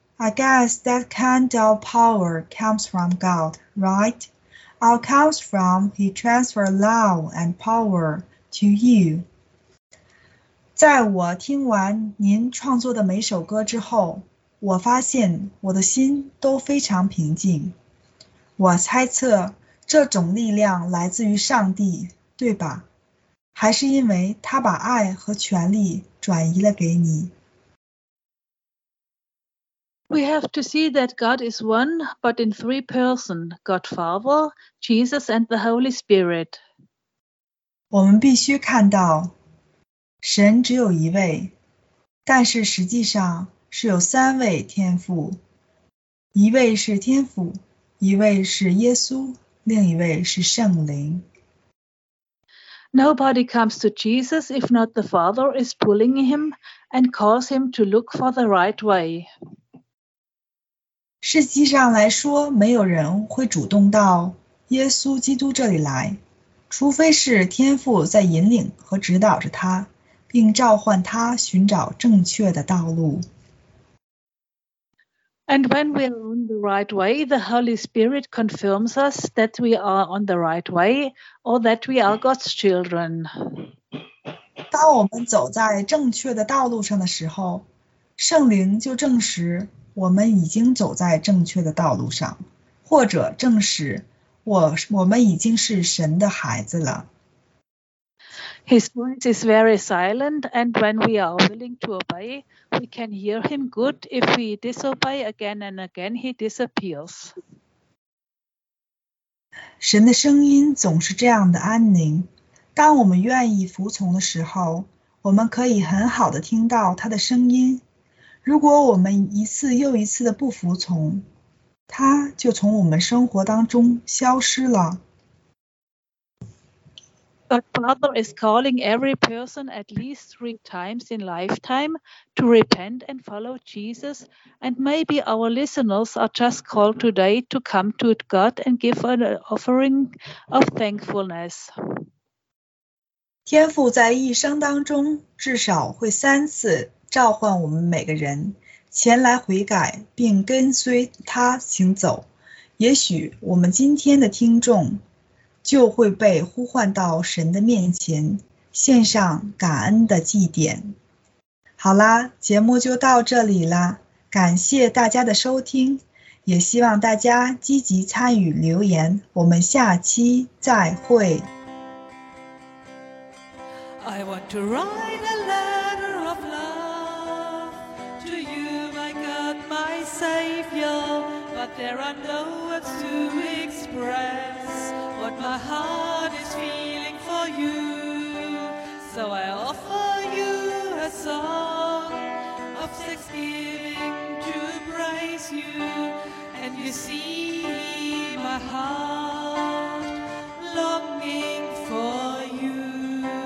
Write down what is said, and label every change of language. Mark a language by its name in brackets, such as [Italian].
[English] I guess that kind of power comes from God, right? Or comes from He transfer love and power to you. [Chinese] 在我听完您创作的每首歌之后，我发现我的心都非常平静。我猜测这种力量来自于上帝，对吧？还是因为他把爱和权力转移了给你？ [English] We have to see that God is one, but in three persons, God Father, Jesus, and the Holy Spirit. [Chinese] 我们必须看到神只有一位，但是实际上是有三位天父，一位是天父，一位是耶稣，另一位是圣灵。 [English] Nobody comes to Jesus if not the Father is pulling him and calls him to look for the right way. [Chinese] 实际上来说，没有人会主动到耶稣基督这里来，除非是天父在引领和指导着他。并召唤他寻找正确的道路。 [English] And when we are on the right way, the Holy Spirit confirms us that we are on the right way, or that we are God's children. [Chinese] 当我们走在正确的道路上的时候，圣灵就证实我们已经走在正确的道路上，或者证实我们已经是神的孩子了。 [English] His voice is very silent, and when we are willing to obey, we can hear him good. If we disobey again and again, he disappears. [Chinese] 神的声音总是这样的安宁。当我们愿意服从的时候，我们可以很好的听到他的声音。如果我们一次又一次的不服从，他就从我们生活当中消失了。 [English] God Father is calling every person at least three times in lifetime to repent and follow Jesus, and maybe our listeners are just called today to come to God and give an offering of thankfulness. [Chinese] 天父在一生当中至少会三次召唤我们每个人前来悔改并跟随他行走。也许我们今天的听众就会被呼唤到神的面前，献上感恩的祭奠。好啦，节目就到这里啦，感谢大家的收听，也希望大家积极参与留言，我们下期再会。 [English] I want to write a letter of love to you, my God, my Savior, but there are no words to express. What my heart is feeling for you, so I offer you a song of thanksgiving to praise you, and you see my heart longing for you.